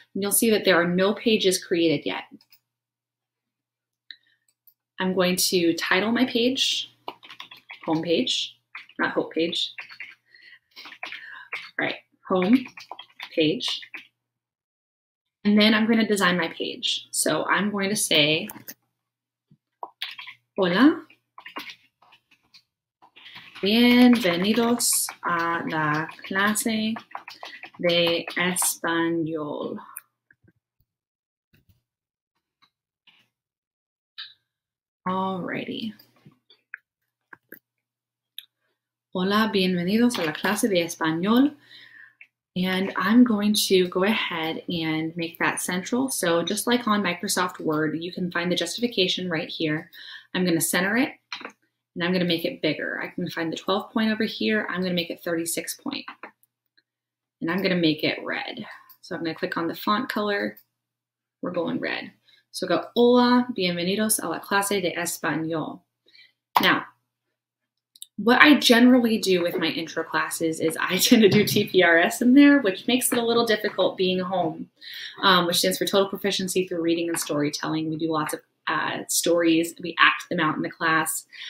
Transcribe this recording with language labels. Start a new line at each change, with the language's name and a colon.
English: And you'll see that there are no pages created yet. I'm going to title my page, Homepage, not Hope Page. All right, Home Page. And then I'm going to design my page. So I'm going to say,
Spanish: hola, bienvenidos a la clase de español.
English: Alrighty.
Spanish: Hola, bienvenidos a la clase de español.
English: And I'm going to go ahead and make that central. So just like on Microsoft Word, you can find the justification right here. I'm going to center it and I'm going to make it bigger. I can find the 12 point over here. I'm going to make it 36 point and I'm going to make it red. So I'm going to click on the font color. We're going red. So go,
Spanish: hola, bienvenidos a la clase de español.
English: Now, what I generally do with my intro classes is I tend to do TPRS in there, which makes it a little difficult being home, which stands for Total Proficiency Through Reading and Storytelling. We do lots of stories, we act them out in the class.